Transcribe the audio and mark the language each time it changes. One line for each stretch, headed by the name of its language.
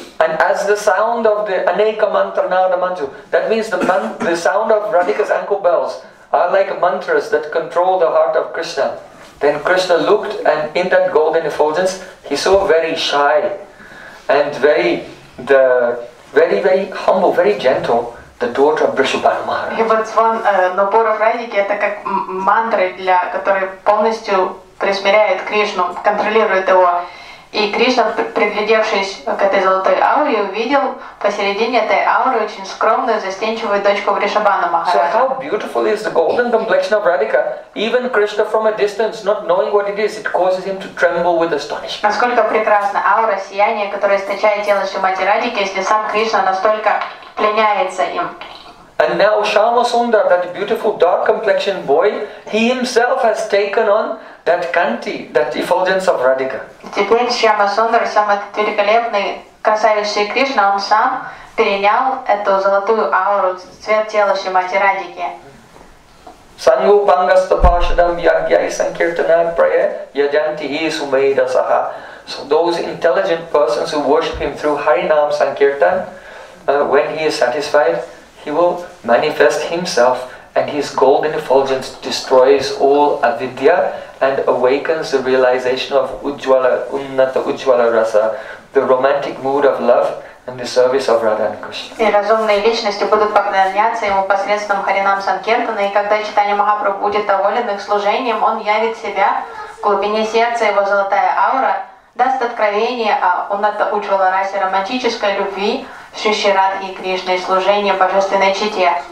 English: And as the sound of the Aneka Mantra Nada Manju, that means the sound of Radhika's ankle bells are like mantras that control the heart of Krishna. Then Krishna looked and in that golden effulgence, he saw very shy and very humble, very gentle, the daughter of Vrishabhanu Maharaj.
Russian: И вот звон напоров Радики, это как мантры, для которой полностью присмиряет Кришну, контролирует его. И Кришна, приглядевшись к этой золотой ауре, увидел посередине этой ауры очень скромную, застенчивую дочку Вришабану Махараджа.
English: So how beautiful is the golden complexion of Radhika? Even Krishna from a distance, not knowing what it is, it causes him to tremble with astonishment.
Russian: Насколько прекрасна аура, сияние, которое источает тело Шримати Радики, если сам Кришна настолько пленяется им.
English: And now Shama Sundar, that beautiful dark complexion boy, he himself has taken on that kanti, that effulgence of Radhika.
Russian: Теперь Шьяма Сундар, сам этот великолепный красавец Шри Кришна, он сам перенял эту золотую ауру, цвет тела Шримати Радхики.
Sanskrit: Сангу пангаста пашадам ягьяй санкиртана прая яджанти хи сумейда саха.
English: So those intelligent persons who worship him through Харинам санкиртан, when he is satisfied, he will manifest himself and his golden effulgence destroys all avidya and awakens the realization of Ujjwala, Unnata Ujjwala Rasa, the romantic mood of love and the service of Radha and Krishna.
Russian: И разумные личности будут поклоняться ему посредством Харинам Санкиртана, и когда Чайтанья Махапрабху будет доволен их служением, он явит себя в глубине сердца, его золотая аура даст откровение о Унната Ужвала Расе, романтической любви Шри Шри Радхи и Кришны, служение Божественной Чите.